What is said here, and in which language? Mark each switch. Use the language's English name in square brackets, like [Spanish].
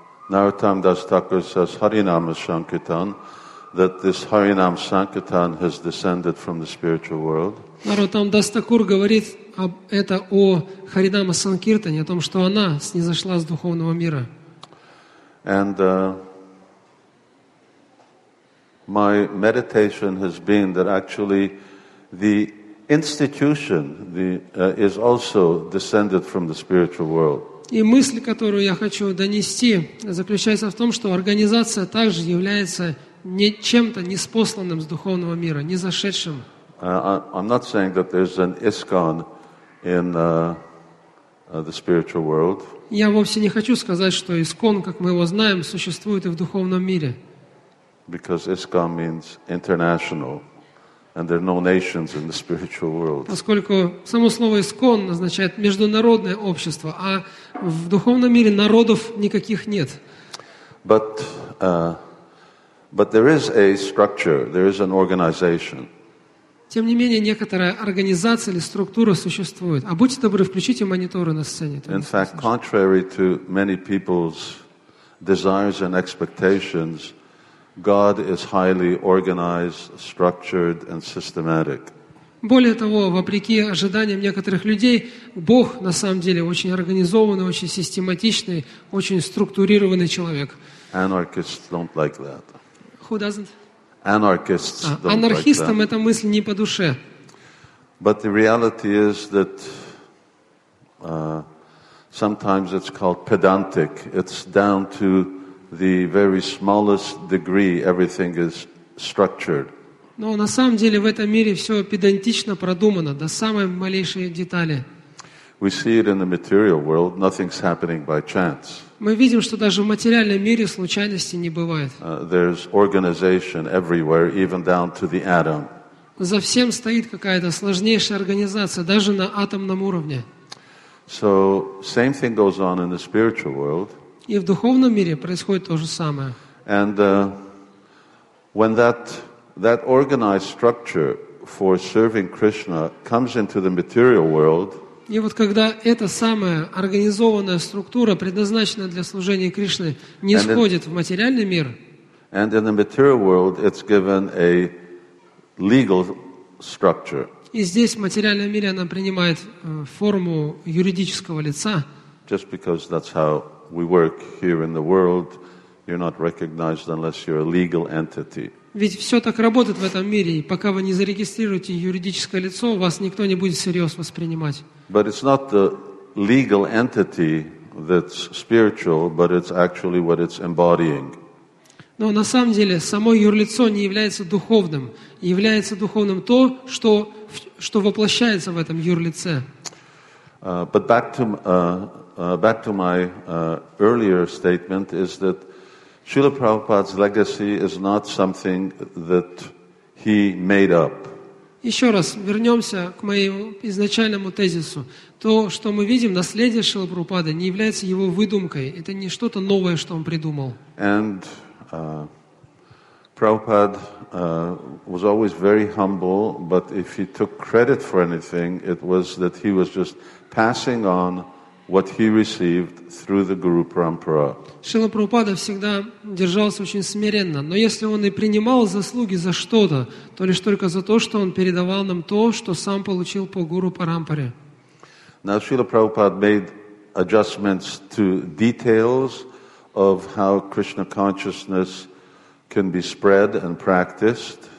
[English] Narottam Das Thakur says Harinama Sankirtan, that this Harinam Sankirtan has descended from the spiritual world. [Russian] Narottam Das Thakur говорит об это о Харинама Санкиртане, о том, что она снизошла с духовного мира. [English] And my meditation has been that actually the institution is also descended from the spiritual world. [Russian] И мысль, которую я хочу донести, заключается в том, что организация также является не чем-то неспосланным с духовного мира, не зашедшим. [English] I'm not saying that there's an ISKCON in the spiritual world. [Russian] Я вовсе не хочу сказать, что ISKCON, как мы его знаем, существует и в духовном мире. [English] Because ISKCON means international. And there are no nations in the spiritual world. [Russian] Поскольку само слово ИСКОН означает международное общество, а в духовном мире народов никаких нет. [English] But there is a structure, there is an organization. [Russian] Тем не менее, некоторая организация или структура существует. А будьте добры, включите мониторы на сцене. [English] In fact, contrary to many people's desires and expectations, God is highly organized, structured, and systematic. [Russian] Более того, вопреки ожиданиям некоторых людей, Бог на самом деле очень организованный, очень систематичный, очень структурированный человек. [English] Anarchists don't like that. Who doesn't? Anarchists don't like that. [Russian] Анархистам эта мысль не по душе. [English] But the reality is that sometimes it's called pedantic. It's down to the very smallest degree, everything is structured. [Russian] Но на самом деле в этом мире все педантично продумано до самой малейшей детали. [English] We see it in the material world. Nothing's happening by chance. [Russian] Мы видим, что даже в материальном мире случайностей не бывает. [English] There's organization everywhere, even down to the atom. [Russian] За всем стоит какая-то сложнейшая организация, даже на атомном уровне. [English] So, same thing goes on in the spiritual world. [Russian] И в духовном мире происходит то же самое. [English] And when that organized structure for serving Krishna comes into the material world, [Russian] и вот когда эта самая организованная структура, предназначенная для служения Кришны, не сходит в материальный мир, [English] and in the material world it's given a legal structure. [Russian] И здесь в материальном мире она принимает форму юридического лица. [English] Just because that's how we work here in the world, you're not recognized unless you're a legal entity. [Russian] Ведь все так работает в этом мире, и пока вы не зарегистрируете юридическое лицо, вас никто не будет всерьез воспринимать. [English] But it's not the legal entity that's spiritual, but it's actually what it's embodying. [Russian] Но на самом деле само юрлицо не является духовным. Является духовным то, что воплощается в этом юрлице. [English] But back to my earlier statement is that Srila Prabhupada's legacy is not something that he made up. [Russian] Еще раз вернемся к моему изначальному тезису. То, что мы видим, наследие Шрилы Прабхупады не является его выдумкой. Это не что-то новое, что он придумал. [English] And Prabhupada was always very humble, but if he took credit for anything, it was that he was just passing on what he received through the Guru Parampara. [Russian] Шрила Прабхупада всегда держался очень смиренно, но если он и принимал заслуги за что-то, то лишь только за то, что он передавал нам то, что сам получил по Гуру Парампаре. [English] Now Srila Prabhupada made adjustments to details of how Krishna consciousness can be spread and practiced.